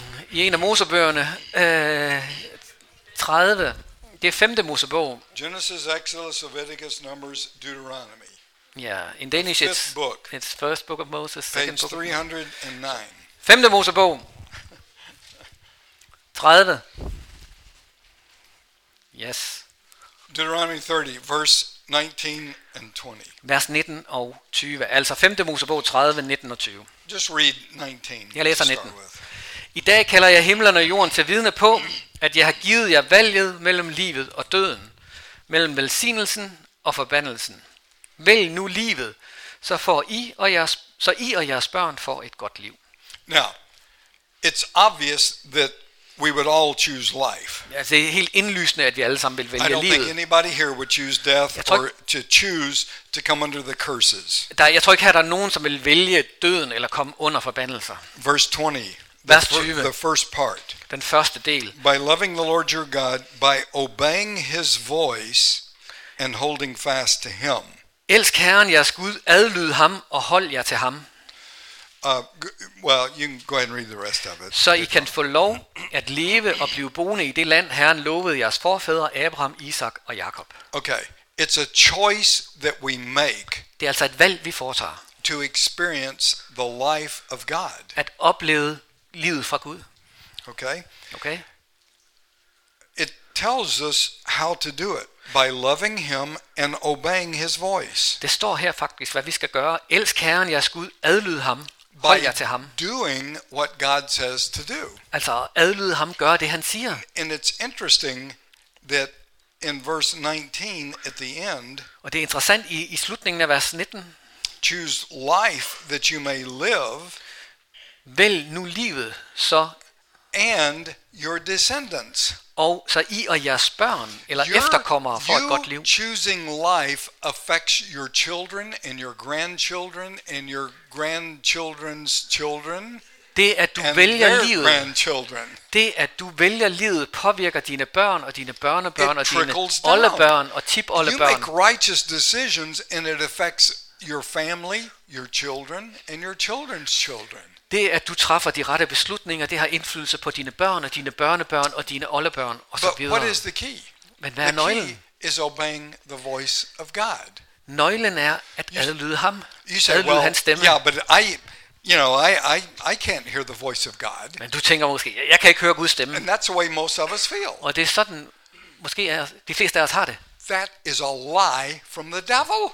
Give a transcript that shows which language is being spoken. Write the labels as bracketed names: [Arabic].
[Danish] I en af Mosebøgerne, 30, det er femte Mosebog. [English] Genesis, Exodus, Leviticus, Numbers, Deuteronomy. Ja, yeah, in Danish it's fifth book. It's first book of Moses, second page 309. [Danish] Book. Femte Mosebog. 30. [English] Yes. Deuteronomy 30, verse 19 and 20. [Danish] Vers 19 og 20, altså 5. Mosebog 30, 19 og 20. [English] Just read 19. [Danish] Jeg læser 19. I dag kalder jeg himlen og jorden til vidne på, at jeg har givet jer valget mellem livet og døden, mellem velsignelsen og forbandelsen. Vælg nu livet, så får I og jeres, så I og jeres børn får et godt liv. [English] Now, it's obvious that we would all choose life. [Danish] Ja, det er helt indlysende, at vi alle sammen vil vælge livet. [English] I don't [Danish] livet. [English] Think anybody here would choose death or to choose to come under the curses. [Danish] Der, jeg tror ikke, at der er nogen, som vil vælge døden eller komme under forbandelser. [English] Verse 20. The first part. [Danish] Den første del. [English] By loving the Lord your God, by obeying His voice and holding fast to Him. [Danish] Elsk Herren jeres Gud, adlyd ham og hold jer til ham. [English] Well, you can go ahead and read the rest of it. [Danish] Så I kan få lov at leve og blive boende i det land Herren lovede jeres forfædre Abraham, Isak og Jakob. [English] Okay, it's a choice that we make. [Danish] Det er altså et valg vi foretager. [English] To experience the life of God. [Danish] At opleve livet fra Gud. [English] Okay. Okay. It tells us how to do it by loving Him and obeying His voice. [Danish] Det står her faktisk, hvad vi skal gøre. Elsk Herren jeres Gud, adlyd ham. Hold jer til ham. [English] Doing what God says to do. [Danish] Altså adlyd ham, gør det han siger. [English] And it's interesting that in verse 19 at the end. [Danish] Og det er interessant i slutningen af vers 19. [English] Choose life that you may live. [Danish] Vælg nu livet så. [English] And your descendants. [Danish] Og så I og jeres børn eller efterkommere får et godt liv. [English] You choosing life affects your children and your grandchildren and your grandchildren's children. [Danish] Det at du vælger livet. [English] Grandchildren. [Danish] Det at du vælger livet påvirker dine børn og dine børnebørn og dine oldebørn og tipoldebørn. [English] You make righteous decisions and it affects your family, your children and your children's children. [Danish] Det at du træffer de rette beslutninger, det har indflydelse på dine børn og dine børnebørn og dine oldebørn og så videre. [English] What is the key? [Danish] Men hvad er nøglen? [English] The key is obeying the voice of God. [Danish] Nøglen er at adlyde ham. Adlyde hans stemme. [English] Yeah, but I can't hear the voice of God. [Danish] Men du tænker måske, jeg kan ikke høre Guds stemme. [English] And that's the way most of us feel. [Danish] Og det er sådan måske er de fleste af os har det. [English] That is a lie from the devil.